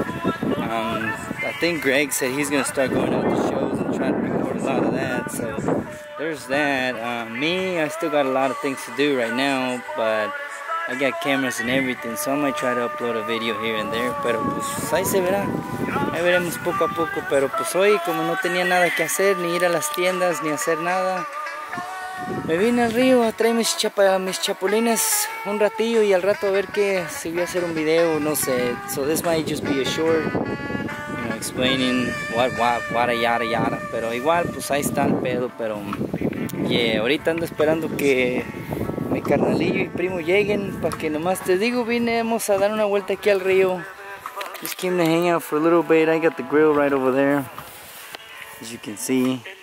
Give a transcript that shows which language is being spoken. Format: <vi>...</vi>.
<en>I think Greg said he's going to start going out to shows and trying to record a lot of that, so there's that. Me, I still got a lot of things to do right now, but I got cameras and everything, so I might try to upload a video here and there,</en> <es>pero pues ahí se verá. Ahí veremos poco a poco, pero pues hoy, como no tenía nada que hacer, ni ir a las tiendas, ni hacer nada, me vine al río a traer mis chapulines un ratillo y al rato a ver que si voy a hacer un video, no sé.</es> <en>So this might just be a short, you know, explaining what a yada yada.</en> <es>Pero igual, pues ahí está el pedo, pero yeah, ahorita ando esperando que mi carnalillo y primo lleguen, para que nomás te digo, vinimos a dar una vuelta aquí al río.</es> <en>Just came to hang out for a little bit. I got the grill right over there, as you can see.</en>